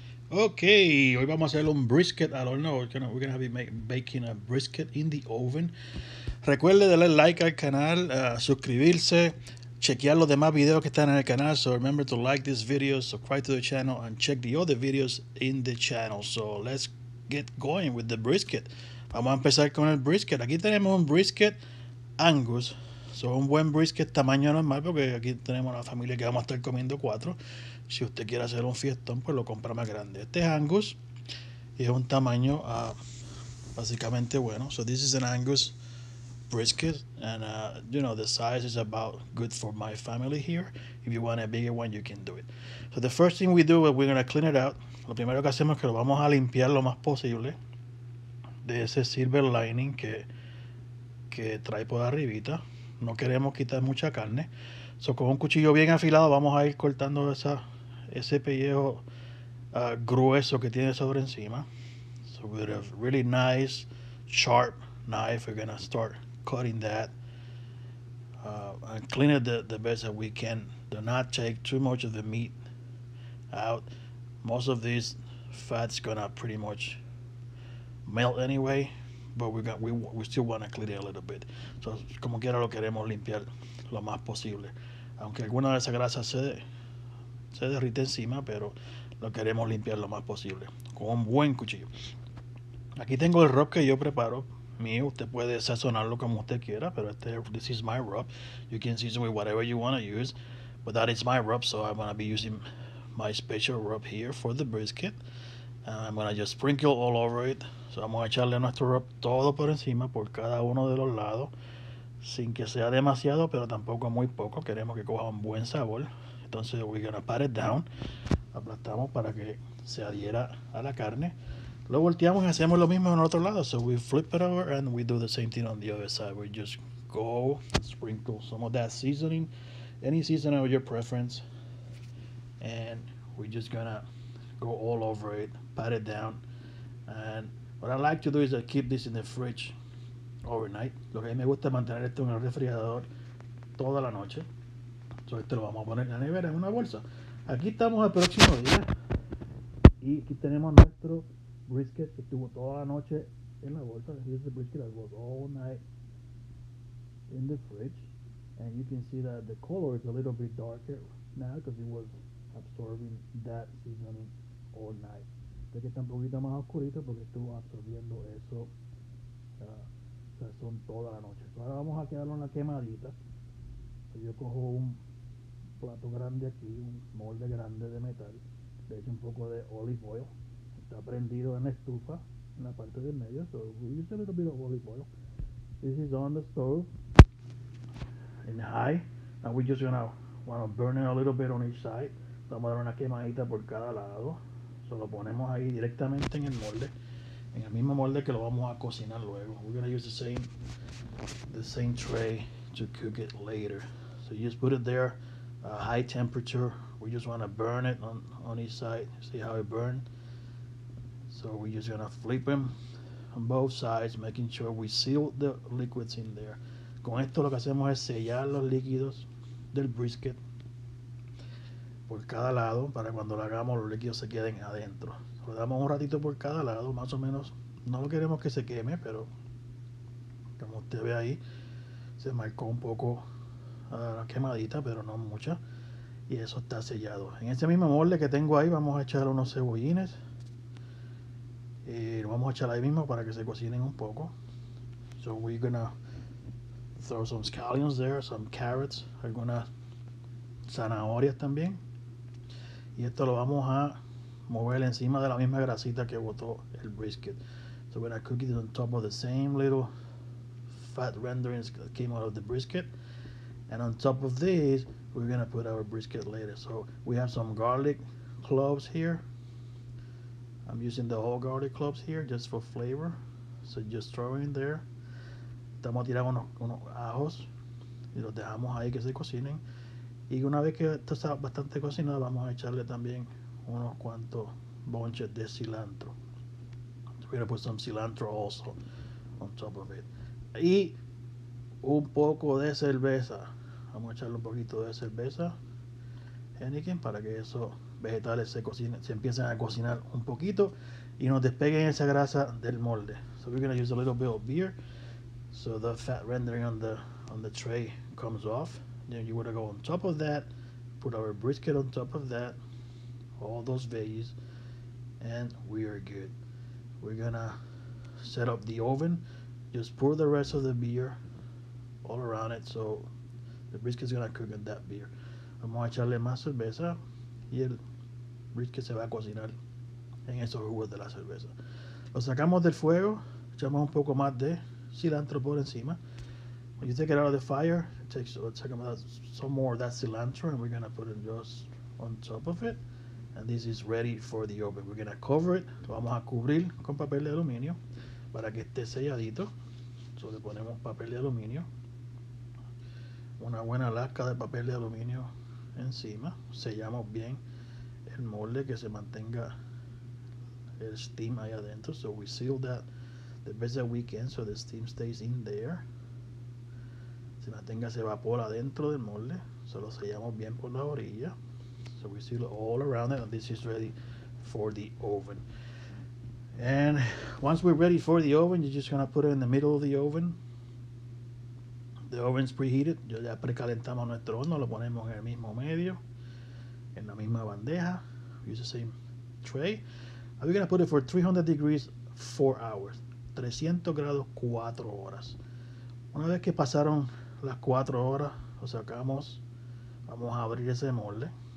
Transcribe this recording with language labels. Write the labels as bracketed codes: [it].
[en] Okay, [es] hoy vamos a hacer un brisket al horno. [en] We're gonna be baking a brisket in the oven. [es] Recuerde darle like al canal, suscribirse, chequear los demás videos que están en el canal. [en] So remember to like this video, subscribe to the channel, and check the other videos in the channel. So let's get going with the brisket. [es] Vamos a empezar con el brisket. Aquí tenemos un brisket Angus. So un buen brisket tamaño normal, porque aquí tenemos una familia que vamos a estar comiendo cuatro. Si usted quiere hacer un fiestón, pues lo compra más grande. Este es Angus y es un tamaño básicamente bueno. [en] So this is an Angus brisket, and you know, the size is about good for my family here. If you want a bigger one, you can do it. So the first thing we do is we're going to clean it out. [es] Lo primero que hacemos es que lo vamos a limpiar lo más posible de ese silver lining que trae por arribita. No queremos quitar mucha carne. So con un cuchillo bien afilado vamos a ir cortando ese pellejo grueso que tiene sobre encima. [en] So with a really nice sharp knife, we're gonna start cutting that and clean it the best that we can. Do not take too much of the meat out. Most of this fat's gonna pretty much melt anyway, but we still want to clean it a little bit. [es] So como quiera lo queremos limpiar lo más posible, aunque alguna de esa grasa se derrite encima, pero lo queremos limpiar lo más posible con un buen cuchillo. Aquí tengo el rub que yo preparo mío. Usted puede sazonarlo como usted quiera, pero [en] this is my rub. You can season with whatever you want to use, but that is my rub. So I'm going to be using my special rub here for the brisket. I'm going to just sprinkle all over it. [es] So vamos a echarle nuestro rub todo por encima, por cada uno de los lados, sin que sea demasiado, pero tampoco muy poco. Queremos que coja un buen sabor. Entonces [en] we're gonna pat it down. [es] Aplastamos para que se adhiera a la carne. Lo volteamos y hacemos lo mismo en el otro lado. [en] So we flip it over and we do the same thing on the other side. We just go sprinkle some of that seasoning, any seasoning of your preference, and we're just gonna go all over it, pat it down. And what I like to do is I keep this in the fridge overnight. [es] Lo que a mí me gusta es mantener esto en el refrigerador toda la noche. So esto lo vamos a poner en la nevera, en una bolsa. Aquí estamos el próximo día. Y aquí tenemos nuestro brisket que estuvo toda la noche en la bolsa. [en] Here's the brisket that was all night in the fridge. And you can see that the color is a little bit darker now because it was absorbing that seasoning all night. [es] Este que está un poquito más oscurito porque estuvo absorbiendo eso sazón toda la noche. So ahora vamos a quedarlo en la quemadita. So yo cojo un plato grande aquí, un molde grande de metal. Le echo un poco de olive oil. Está prendido en la estufa, en la parte del medio. [en] So we use a little bit of olive oil. This is on the stove in high. And we're just gonna want to burn it a little bit on each side. [es] So vamos a dar una quemadita por cada lado. So lo ponemos ahí directamente en el molde, en el mismo molde que lo vamos a cocinar luego. [en] We're gonna use the same tray to cook it later. So you just put it there, high temperature. We just wanna burn it on each side. See how it burned? So we're just gonna flip them on both sides, making sure we seal the liquids in there. [es] Con esto lo que hacemos es sellar los líquidos del brisket por cada lado, para cuando lo hagamos los líquidos se queden adentro. Lo damos un ratito por cada lado, más o menos. No lo queremos que se queme, pero como usted ve ahí, se marcó un poco la quemadita, pero no mucha. Y eso está sellado. En ese mismo molde que tengo ahí, vamos a echar unos cebollines. Y lo vamos a echar ahí mismo para que se cocinen un poco. [en] So we're gonna throw some scallions there, some carrots, [es] algunas zanahorias también. Y esto lo vamos a mover encima de la misma grasita que botó el brisket. [en] So we're gonna cook it on top of the same little fat renderings that came out of the brisket. And on top of this, we're gonna put our brisket later. So we have some garlic cloves here. I'm using the whole garlic cloves here just for flavor. So just throw in there. [es] Estamos tirando unos ajos y los dejamos ahí que se cocinen. Y una vez que esto está bastante cocinado, vamos a echarle también unos cuantos bunches de cilantro. We're gonna put some cilantro also on top of it. Y un poco de cerveza. Vamos a echarle un poquito de cerveza, Henneken, para que eso vegetales se cocinen, se empiecen a cocinar un poquito y nos despeguen esa grasa del molde. [en] So we're gonna use a little bit of beer, so the fat rendering on the tray comes off. Then you wanna go on top of that, put our brisket on top of that, all those veggies, and we are good. We're gonna set up the oven. Just pour the rest of the beer all around it, so the brisket is gonna cook in that beer. [es] Vamos a echarle más cerveza y el brisket se va a cocinar en esos jugos de la cerveza. Lo sacamos del fuego, echamos un poco más de cilantro por encima. [en] When you take it out of the fire, it takes some more of that cilantro, and we're gonna put it just on top of it. And this is ready for the oven. We're gonna cover it. [es] Lo vamos a cubrir con papel de aluminio para que esté selladito. So le ponemos papel de aluminio, una buena lasca de papel de aluminio encima. Sellamos bien el molde, que se mantenga el steam ahí adentro. [en] So we seal that the best that we can, so the steam stays in there. [es] Se mantenga ese vapor adentro del molde. So lo sellamos bien por la orilla. [en] So we seal it all around it, and this is ready for the oven. And once we're ready for the oven, you're just gonna put it in the middle of the oven. The oven's preheated. [es] Yo ya precalentamos nuestro horno, lo ponemos en el mismo medio, en la misma bandeja. [en] Use the same tray. And we're gonna put it for 300 degrees, 4 hours. [es] 300 grados, 4 horas. Una vez que pasaron las 4 horas, lo sacamos, vamos a abrir ese molde.